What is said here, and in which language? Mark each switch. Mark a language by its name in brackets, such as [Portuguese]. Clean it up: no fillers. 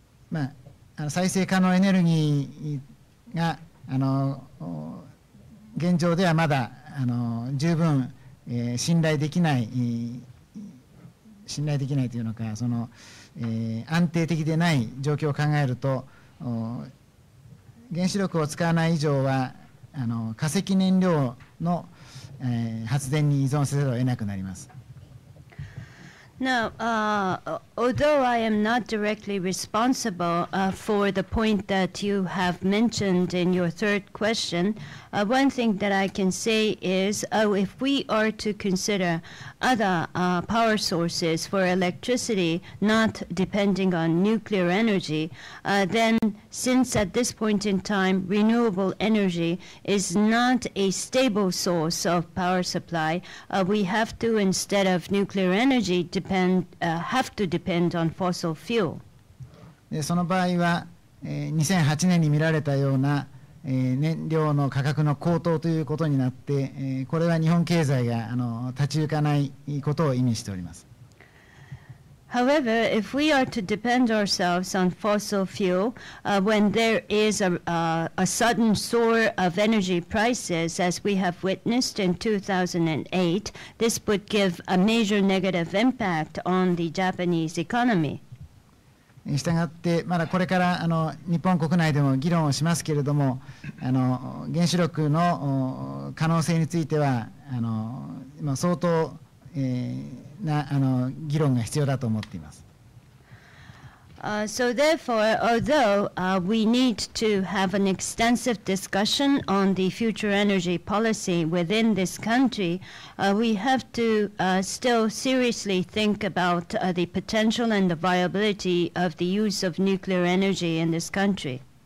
[Japanese] まあ、あの再生可能エネルギーがあの現状ではまだあの十分、信頼できない、信頼できないというのかその、安定的でない状況を考えると原子力を使わない以上はあの化石燃料の、発電に依存せざるを得なくなります。 [English] Now, although I am not directly responsible for the point that you have mentioned in your third question, one thing that I can say is if we are to consider other power sources for electricity not depending on nuclear energy, then since at this point in time renewable energy is not a stable source of power supply, we have to instead of nuclear energy have to depend on fossil fuel. [Japanese] で、その場合は、2008年に見られたような、燃料の価格の高騰ということになって、これは日本経済があの立ち行かないことを意味しております。 [English] However, if we are to depend ourselves on fossil fuel, when there is a sudden soar of energy prices, as we have witnessed in 2008, this would give a major negative impact on the Japanese economy. [Japanese] したがって、まだこれからあの日本国内でも議論をしますけれども、あの原子力の可能性については、あの今相当、なあの議論が必要だと思っています。 [English] So therefore, although we need to have an extensive discussion on the future energy policy within this country, we have to still seriously think about the potential and the viability of the use of nuclear energy in this country.